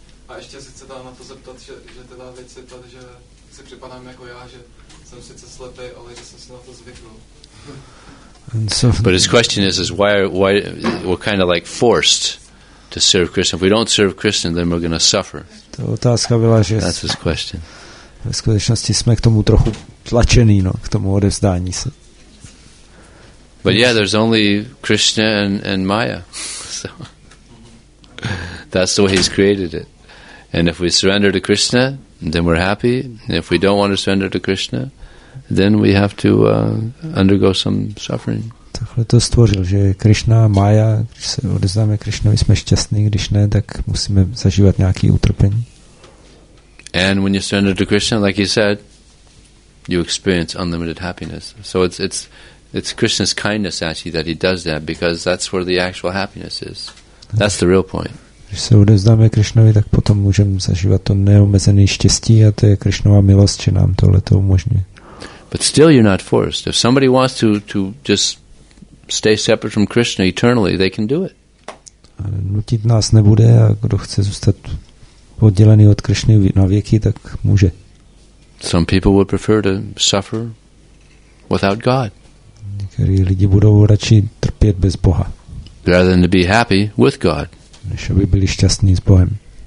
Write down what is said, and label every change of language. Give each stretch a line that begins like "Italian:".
English: But his question is why we're kind of like forced to serve Krishna. If we don't serve Krishna, then we're going to suffer. That's his question.
Czech: Ve skutečnosti jsme k tomu trochu tlačený, no, k tomu odevzdání se.
English: But yeah, there's only Krishna and Maya. So that's the way he's created it. And if we surrender to Krishna, then we're happy. And if we don't want to surrender to Krishna, then we have to undergo some suffering.
Czech: Takhle to stvořil, že Krishna a Maya, když se odevzdáme Krishnovi, jsme šťastní, když ne, tak musíme zažívat nějaký utrpení.
English: And when you surrender to Krishna, like you said, you experience unlimited happiness. So it's Krishna's kindness actually that he does that, because that's where the actual happiness is. That's the real point.
Czech: Když se odevzdáme Krishnovi, tak potom můžeme zažívat to neomezené štěstí, a to je Krishnova milost, že nám tohle to umožňuje.
English: But still you're not forced. If somebody wants to just stay separate from Krishna eternally, they can do it.
Czech: Ale nutit nás nebude, a kdo chce zůstat oddělený od Krišny na věky, tak může.
English: Some people would prefer to suffer without God.
Czech: Někteří lidi budou radši trpět bez Boha.
English: Rather than to be happy with God.
Czech: Než aby byli šťastní s Bohem.